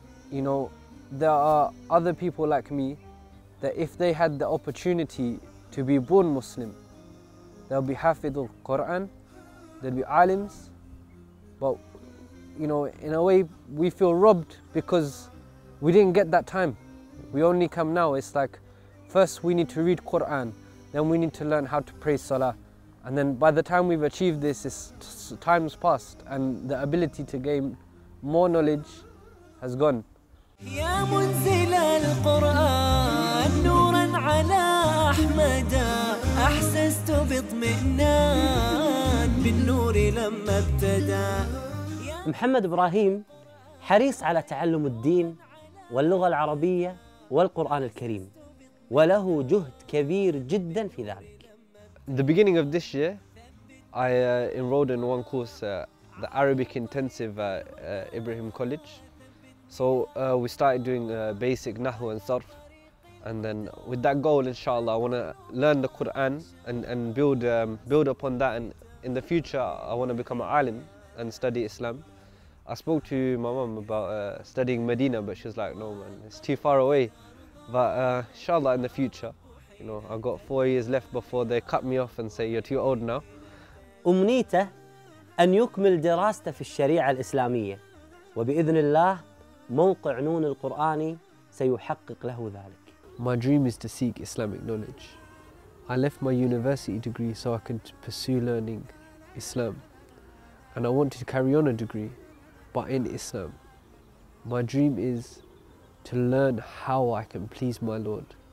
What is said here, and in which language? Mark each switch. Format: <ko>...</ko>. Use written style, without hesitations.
<en>You know, there are other people like me that if they had the opportunity to be born Muslim, they'll be hafidh al-Quran, they'll be alims, but you know, in a way, we feel robbed because we didn't get that time. We only come now. It's like First, we need to read Quran. Then we need to learn how to pray Salah. And then by the time we've achieved this, it's time's passed and the ability to gain more knowledge has gone.</en> <ar>يا منزل القرآن نورا على أحمد أحسست بطمئنان بالنور لما ابتدى. محمد إبراهيم حريص على تعلم الدين واللغة العربية والقرآن الكريم وله جهد كبير جدا في ذلك.</ar> <en>The beginning of this year, I enrolled in one course, the Arabic Intensive Ibrahim College. So we started doing basic Nahu and Sarf, and then with that goal, inshallah, I want to learn the Quran and build upon that. And in the future, I want to become an alim and study Islam. I spoke to my mom about studying Medina, but she was like, no man, it's too far away. But inshallah, in the future, you know, I've got 4 years left before they cut me off and say, you're too old now.</en> <ar>أمنيته أن يكمل دراسته في الشريعة الإسلامية وبإذن الله موقع نون القرآن سيحقق له ذلك.</ar> <en>My dream is to seek Islamic knowledge. I left my university degree so I can pursue learning Islam. And I wanted to carry on a degree, but in Islam. My dream is to learn how I can please my Lord.</en>